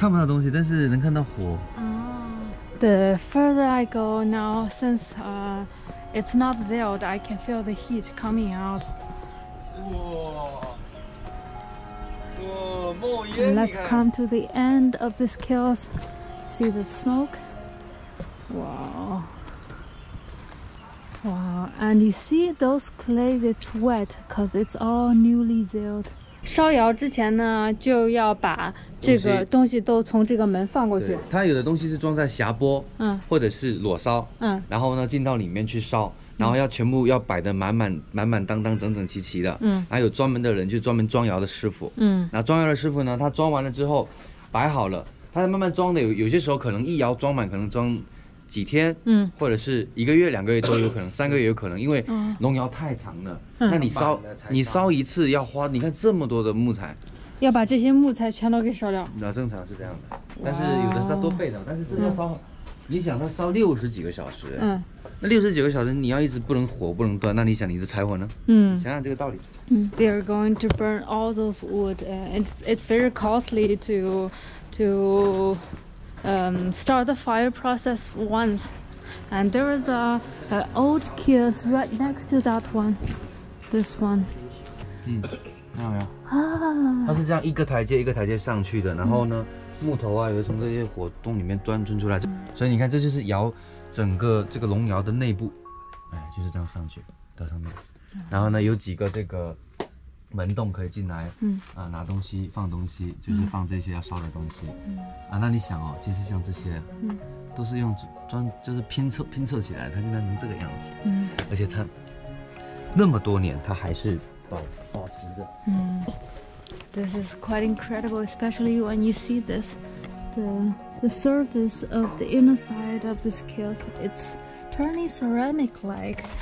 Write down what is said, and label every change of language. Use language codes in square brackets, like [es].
[zh] 看到里面，能看见东西吗？你看，就看不到东西，但是能看到火。哦。The [en] further I go now, since it's not sealed, I can feel the heat coming out. [zh] 哇！哇，冒烟！ [en] Let's come to the end of this kiln. See the smoke. Wow. Wow, and you see those clays, it's wet because it's all newly sealed. [zh] 烧窑之前呢，就要把这个东西都从这个门放过去。它有的东西是装在匣钵，或者是裸烧，然后呢进到里面去烧。然后要全部要摆得满满满满当当整整齐齐的，嗯，然后有专门的人，就专门装窑的师傅，嗯，那装窑的师傅呢，他装完了之后摆好了，他慢慢装的，有些时候可能一窑装满可能装几天，嗯，或者是一个月两个月都有可能，三个月有可能，因为农窑太长了，那你烧你烧一次要花，你看这么多的木材，要把这些木材全都给烧掉，那正常是这样的，但是有的是他多备的，但是这要烧，你想他烧六十几个小时，嗯，那六十几个小时你要一直不能火不能断，那你想你的柴火呢？嗯，想想这个道理。 [en] 嗯 ，They are going to burn all those wood and it's very costly to start the fire process once. And there is a old kiln right next to that one, this one. [zh] 嗯，看到没有？它是这样一个台阶一个台阶上去的，然后呢，木头啊，有从这些火洞里面钻出来，所以你看，这就是窑整个这个龙窑的内部，哎，就是这样上去到上面，然后呢，有几个这个门洞可以进来，嗯，啊，拿东西放东西，就是放这些要烧的东西，啊，那你想哦，其实像这些，嗯，都是用砖就是拼凑起来，它竟然能这个样子，嗯，而且它那么多年，它还是。保持的。 Mm. [en] This is quite incredible, especially when you see this. The surface of the inner side of this kiln, it's turning ceramic-like.